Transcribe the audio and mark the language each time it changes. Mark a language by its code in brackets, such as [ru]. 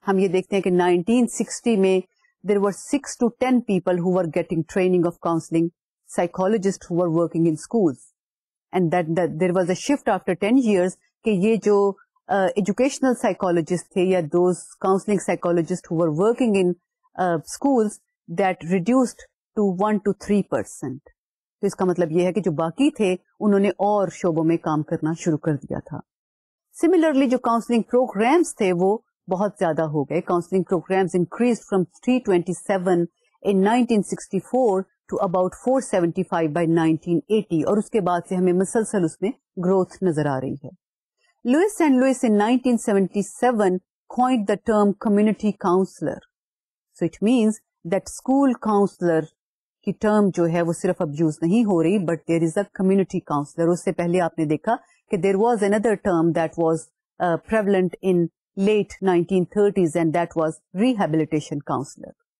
[ur] ہم یہ دیکھتے ہیں کہ 1960 میں [en] there were 6 to 10 people who were getting training of counseling psychologists who were working in schools. And that there was a shift after 10 years [ur] کہ یہ جو educational psychologists تھے یا [en] those counseling psychologists who were working in schools that reduced to 1-3%. [ur] تو اس کا مطلب یہ ہے کہ جو باقی تھے انہوں نے اور شعبوں میں کام کرنا شروع کر دیا تھا. Similarly, جو counseling programs تھے وہ بہت زیادہ ہو گئے. [en] Counseling programs increased from 327 in 1964 to about 475 by 1980. [ur] اور اس کے بعد سے ہمیں مسلسل اس میں growth نظر آ رہی ہے. [en] Lewis and Lewis in 1977 coined the term community counselor. So it means that school counselor [ur] کی term جو ہے وہ صرف abuse نہیں ہو رہی, [en] but there is a community counselor. [ur] اس سے پہلے آپ نے دیکھا کہ [en] there was another term that was prevalent in late 1930s and that was rehabilitation counselor.